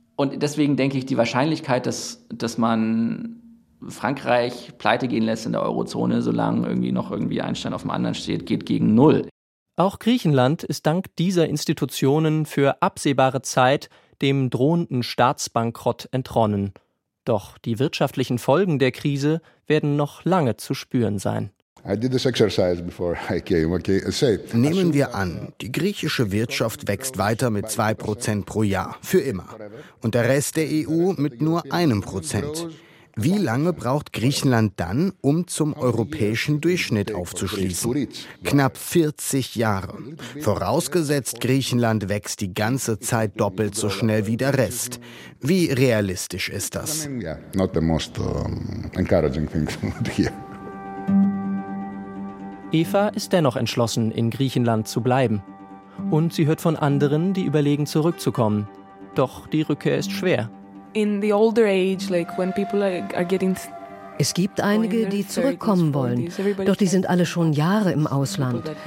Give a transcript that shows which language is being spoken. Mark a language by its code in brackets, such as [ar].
[de] Und deswegen denke ich, die Wahrscheinlichkeit, dass man Frankreich pleite gehen lässt in der Eurozone, solange irgendwie ein Stein auf dem anderen steht, geht gegen null. Auch Griechenland ist dank dieser Institutionen für absehbare Zeit dem drohenden Staatsbankrott entronnen. Doch die wirtschaftlichen Folgen der Krise werden noch lange zu spüren sein. [en] I did this exercise before I came, okay? [de] Nehmen wir an, die griechische Wirtschaft wächst weiter mit 2% pro Jahr, für immer. Und der Rest der EU mit nur 1%. Wie lange braucht Griechenland dann, um zum europäischen Durchschnitt aufzuschließen? Knapp 40 Jahre. Vorausgesetzt, Griechenland wächst die ganze Zeit doppelt so schnell wie der Rest. Wie realistisch ist das? [en] Not the most encouraging thing here. [de] Eva ist dennoch entschlossen, in Griechenland zu bleiben. Und sie hört von anderen, die überlegen, zurückzukommen. Doch die Rückkehr ist schwer. Es gibt einige, die zurückkommen wollen, doch die sind alle schon Jahre im Ausland.